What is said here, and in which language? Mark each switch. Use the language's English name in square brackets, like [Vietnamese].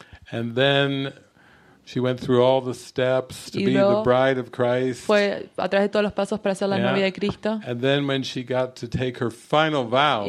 [English] And then she went through all the steps to be the bride of Christ. [Spanish] Fue a través de todos los pasos para ser la novia de Cristo. [English] And then when she got to take her final vows,